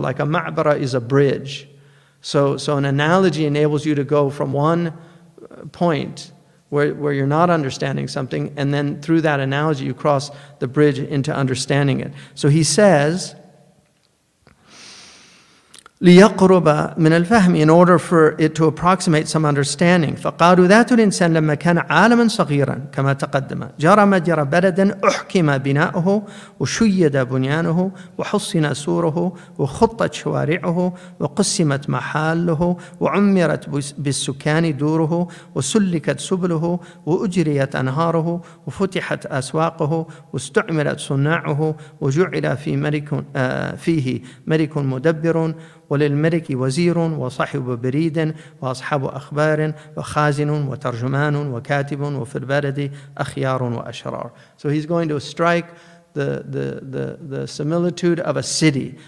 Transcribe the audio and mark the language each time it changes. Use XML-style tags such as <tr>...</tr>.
<en>Like a ma'bara is a bridge. So an analogy enables you to go from one point where you're not understanding something, and then through that analogy you cross the bridge into understanding it. So he says,</en> <ar>لِيَقْرُبَ مِنَ الْفَهْمِ,</ar> <en>in order for it to approximate some understanding.</en> <ar>فَقَالُوا ذَاتُ الْإِنسَانِ لَمَّا كَانَ عَالَمًا صَغِيرًا كَمَا تَقَدَّمَ جَرَى مَجْرَى بَلَدًا أُحْكِمَ بِنَاؤُهُ وَشُيِّدَ بُنْيَانُهُ وَحُصِّنَ سُورُهُ وَخُطَّتْ شَوَارِعُهُ وَقُسِّمَتْ مَحَالُهُ وَعُمِّرَتْ بِالسُّكَانِ دُورُهُ وَسُلِّكَتْ سُبُلُهُ وَأُجْرِيَتْ أَنْهَارُهُ وَفُتِحَتْ أَسْوَاقُهُ وَاسْتُعْمِرَتْ صُنَاعُهُ وَجُعِلَ فِيهِ مَلِكٌ مُدَبِّرٌ وللملك وزير وصاحب بريد وأصحاب أخبار وخازن وترجمان وكاتب وفي البلد أخيار وأشرار.</ar> <en>So he's going to strike the similitude of a city.</en>